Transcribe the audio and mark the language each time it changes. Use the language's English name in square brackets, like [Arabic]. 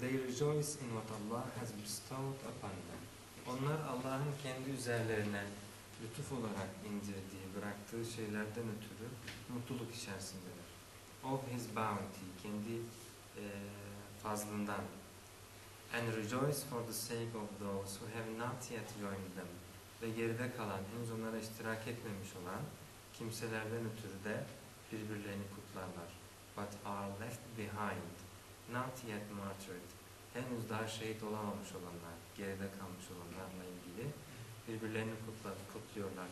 [English] They rejoice in what Allah has bestowed upon them. [Turkish] Onlar Allah'ın kendi üzerlerine lütuf olarak indirdiği, bıraktığı şeylerden ötürü mutluluk içerisindeler. [English] Of His bounty, [Turkish] kendi fazlından. [English] And rejoice for the sake of those who have not yet joined them. [Turkish] Ve geride kalan, henüz onlara iştirak etmemiş olan kimselerden ötürü de birbirlerini kutlarlar. [English] But are left behind, not yet martyred. [Turkish] Henüz daha şehit olamamış olanlar, geride kalmış olanlarla ilgili birbirlerini kutluyorlar.